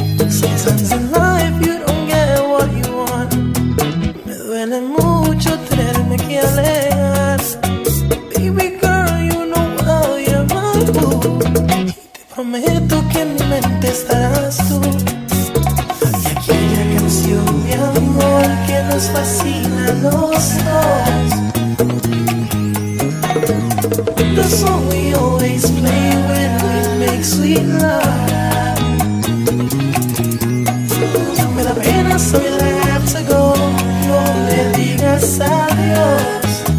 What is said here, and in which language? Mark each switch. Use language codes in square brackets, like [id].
[en] Sometimes in life you don't get what you want. [es] Me duele mucho tenerme que alejar. [en] Baby girl, you know how you're my boo. [es] Y te prometo que en mi mente estarás tú. Y aquella canción de amor que nos fascina a los dos. [en] The song we always play when we make sweet love. [es] Me da pena, soy [en] that I have to go. [es] No le digas adiós.